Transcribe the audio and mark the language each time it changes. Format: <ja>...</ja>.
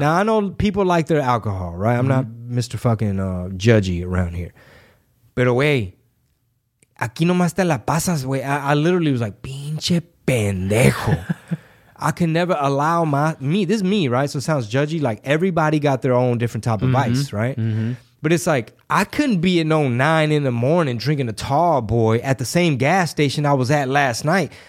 <en>Now, I know people like their alcohol, right? I'm mm-hmm. not Mr. fucking judgy around here.</en> <es>Pero, güey, aquí nomás te la pasas, güey.</es> <en>I literally was like,</en> <es>pinche pendejo.</es> <en>I can never allow this is me, right? So it sounds judgy. Like everybody got their own different type of mm-hmm. vice, right? Mm-hmm. But it's like, I couldn't be at 9 in the morning drinking a tall boy at the same gas station I was at last night.</en>